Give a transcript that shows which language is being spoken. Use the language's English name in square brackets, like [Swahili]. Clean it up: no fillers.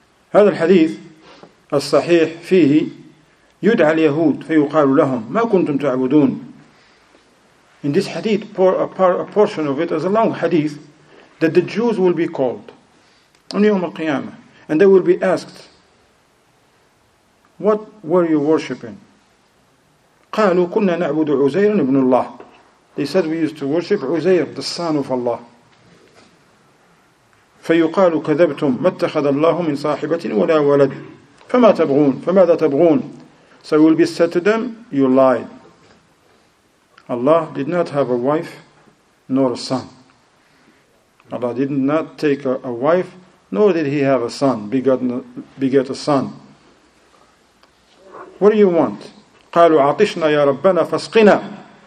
[Arabic] هذا الحديث الصحيح فيه يدعى اليهود فيقال لهم ما كنتم تعبدون. [English] In this hadith, a portion of it is a long hadith that the Jews will be called on [Arabic] يوم القيامة [English] and they will be asked, what were you worshipping? [Arabic] قالوا كنا نعبد عزير بن الله. [English] They said we used to worship عزير, the son of Allah. [Arabic] فيقال كذبتم ما اتخذ الله من صاحبة ولا ولد فما تبغون فماذا تبغون. [English] So it will be said to them, you lied. Allah did not have a wife nor a son. Allah did not take a wife, nor did he have a son, beget a son. What do you want? [Arabic] قَالُوا عَطِشْنَا يَا رَبَّنَا فَاسْقِنَا.